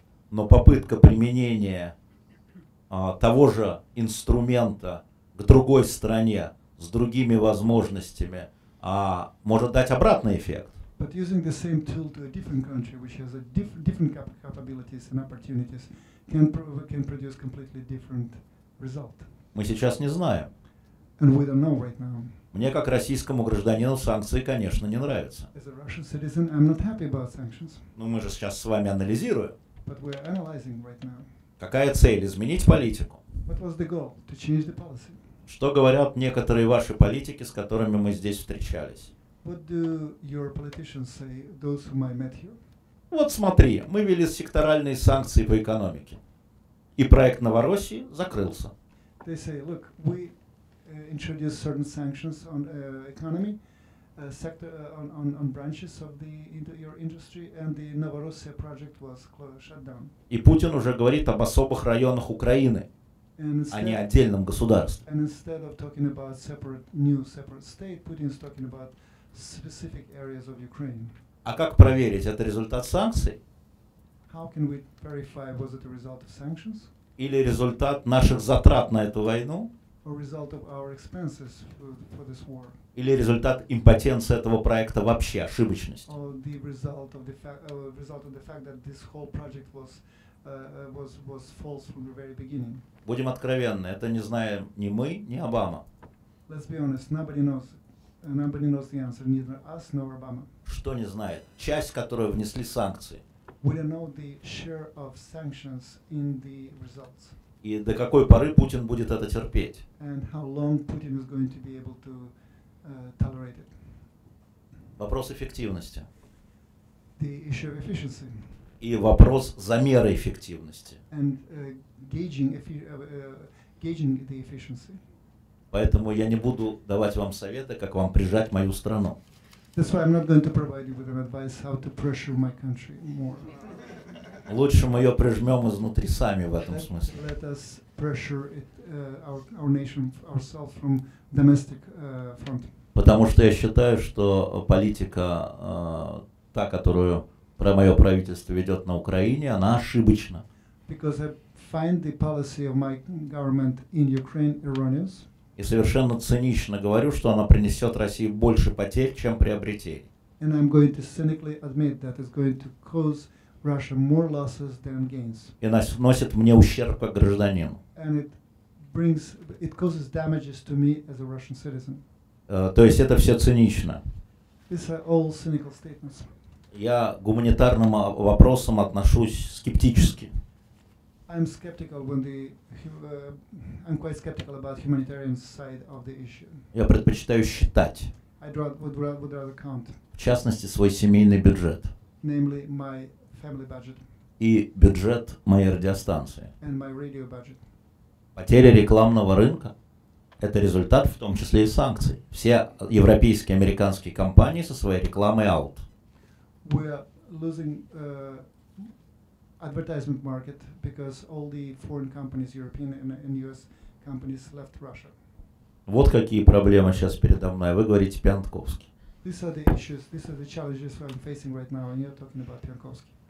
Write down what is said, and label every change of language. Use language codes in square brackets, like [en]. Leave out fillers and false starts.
[ru] Но попытка применения того же инструмента к другой стране с другими возможностями, а может дать обратный эффект. [en] But using the same tool to a different country, which has a different capabilities and opportunities, can produce completely different result. [ru] Мы сейчас не знаем. [en] And we don't know right now. [ru] Мне как российскому гражданину санкции, конечно, не нравятся. [en] As a Russian citizen, I'm not happy about sanctions. [ru] Но мы же сейчас с вами анализируем. [en] But we're analyzing right now. [ru] Какая цель? Изменить политику. [en] What was the goal? To change the policy. [ru] Что говорят некоторые ваши политики, с которыми мы здесь встречались? [en] Say, [ru] вот смотри, мы ввели секторальные санкции по экономике. И проект Новороссии закрылся. [en] They say, look, we introduced certain sanctions on economy, sector, on branches of the your industry, and the Novorossiya project was shut down. [ru] И Путин уже говорит об особых районах Украины. [en] Instead, [ru] а не отдельном государстве. [en] And instead of talking about separate new separate state, Putin is talking about specific areas of Ukraine. [ru] А как проверить, это результат санкций? [en] How can we verify, was it a result of sanctions? [ru] Или результат наших затрат на эту войну? [en] Or result of our expenses for this war? [ru] Или результат импотенции этого проекта вообще, ошибочность? [en] Or the result of the fact, result of the fact that this whole project was was false from the very beginning. [ru] Будем откровенны, это не знаем ни мы, ни Обама. [en] Let's be honest, nobody knows the answer, neither us nor Obama. [ru] Что не знает? Часть, которую внесли санкции. [en] we don't know the share of sanctions in the results. [ru] И до какой поры Путин будет это терпеть? [en] And how long Putin is going to be able to tolerate it? [ru] Вопрос эффективности. [en] The issue of efficiency. [ru] И вопрос замера эффективности. [en] And gauging the efficiency. [ru] Поэтому я не буду давать вам советы, как вам прижать мою страну. [en] That's why I'm not going to provide you with an advice how to pressure my country more. [ru] Лучше мы ее прижмем изнутри сами в этом смысле. [en] Let us pressure it, our nation ourselves from domestic front. [ru] Потому что я считаю, что политика та, которую мое правительство ведет на Украине, она ошибочна. [en] Because I find the policy of my government in Ukraine erroneous. [ru] И совершенно цинично говорю, что она принесет России больше потерь, чем приобретений. [en] And I'm going to cynically admit that it's going to cause Russia more losses than gains. [ru] И наносит мне ущерб как гражданину. [en] And it causes damages to me as a Russian citizen. [ru] То есть это все цинично. [en] These are all cynical statements. [ru] Я к гуманитарным вопросам отношусь скептически. [en] I'm skeptical when the I'm quite skeptical about humanitarian side of the issue. [ru] Я предпочитаю считать. [en] I would rather count. [ru] В частности, свой семейный бюджет. [en] Namely, my family budget. [ru] И бюджет моей радиостанции. [en] And my radio budget. [ru] Потеря рекламного рынка – это результат, в том числе и санкций. Все европейские, американские компании со своей рекламой [en] out. We are losing advertisement market because all the foreign companies, European and US companies, left Russia. [ru] Вот какие проблемы сейчас передо мной. Вы говорите Пиантковский. [en] These are the issues. These are the challenges I'm facing right now, and you're talking about Пиантковский.